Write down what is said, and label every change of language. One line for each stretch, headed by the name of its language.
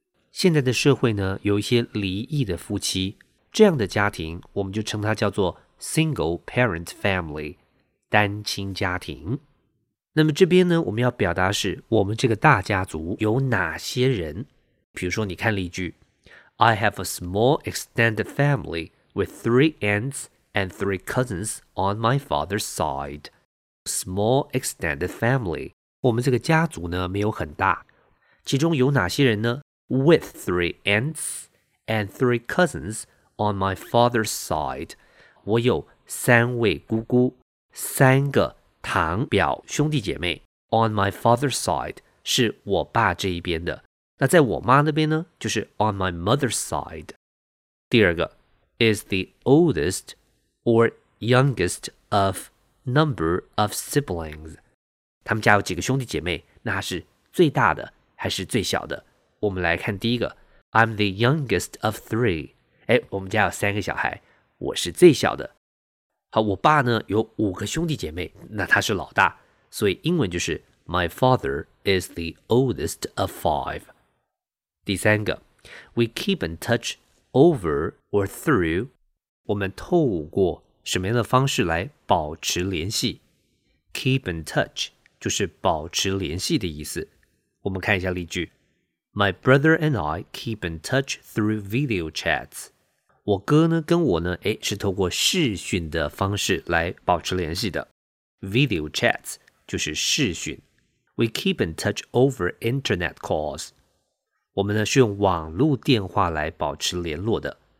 Chinese: 现在的社会呢有一些离异的夫妻这样的家庭我们就称它叫做 Single Parent Family 单亲家庭那么这边呢我们要表达是我们这个大家族有哪些人比如说你看例句
English: I have a small extended family with three aunts and three cousins on my father's side. Small extended family.
Chinese: 我们这个家族呢没有很大。其中有哪些人呢?
English: With three aunts and three cousins on my father's side.
Chinese: 我有三位姑姑,三个堂表兄弟姐妹。
English: On my father's side
Chinese: 是我爸这一边的。那在我妈那边呢就是
English: on my mother's side.
Chinese: 第二个
English: is the oldest or youngest of number of siblings.
Chinese: 他们家有几个兄弟姐妹,那是最大的还是最小的? 我们来看第一个。
English: I'm the youngest of three.
Chinese: 诶,我们家有三个小孩,我是最小的。好,我爸呢,有五个兄弟姐妹,那他是老大。所以英文就是
English: My father is the oldest of five.
Chinese: 第三个。
English: We keep in touch over or through...
Chinese: 我们透过什么样的方式来保持联系 ?Keep in touch 就是保持联系的意思。我们看一下例句。
English: My brother and I keep in touch through video chats.
Chinese: 我哥呢跟我呢诶是透过视讯的方式来保持联系的。
English: Video chats
Chinese: 就是视讯。
English: We keep in touch over internet calls.
Chinese: 我们呢是用网路电话来保持联络的。